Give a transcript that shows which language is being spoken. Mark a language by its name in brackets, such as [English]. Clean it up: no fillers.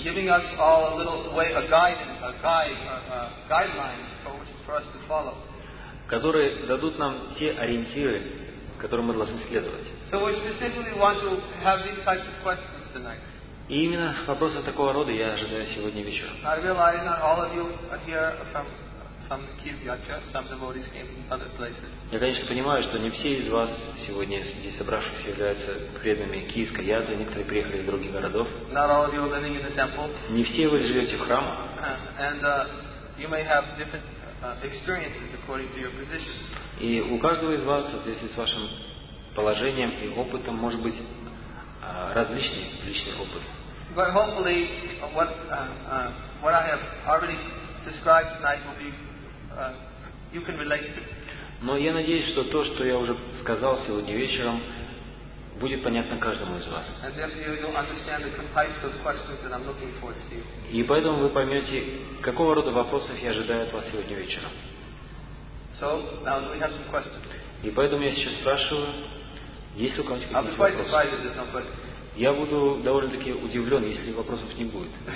[English] Giving us all a little way, guidelines for us to follow. [Russian] Которые дадут нам те ориентиры, которым мы должны следовать. [English] So we specifically want to have these types of questions tonight. [Russian] И именно вопросы такого рода я ожидаю сегодня вечером. [English] I realize not all of you are here from the Kivyatcha, some devotees came from other places. [Russian] Я, конечно, понимаю, что не все из вас сегодня здесь собравшихся являются преданными Киевской Язвы, некоторые приехали из других городов. [English] Not all of you are living in the temple. [Russian] Не все вы живете в храмах. [English] And you may have different experiences according to your position. [Russian] И у каждого из вас, если с вашим положением и опытом, может быть различный личный опыт. [English] But hopefully, what I have already described tonight will be you can relate to. [Russian] Но я надеюсь, что то, что я уже сказал сегодня вечером, будет понятно каждому из вас. [English] And therefore, you'll understand the types of questions that I'm looking for to see. [Russian] И поэтому вы поймете, какого рода вопросов я ожидаю от вас сегодня вечером. [English] So, now we have some questions. [Russian] И поэтому я сейчас спрашиваю, есть ли у кого-нибудь какие-то вопросы? [English] I'll be quite surprised if there's no questions. [Russian] Я буду довольно-таки удивлен, если вопросов не будет.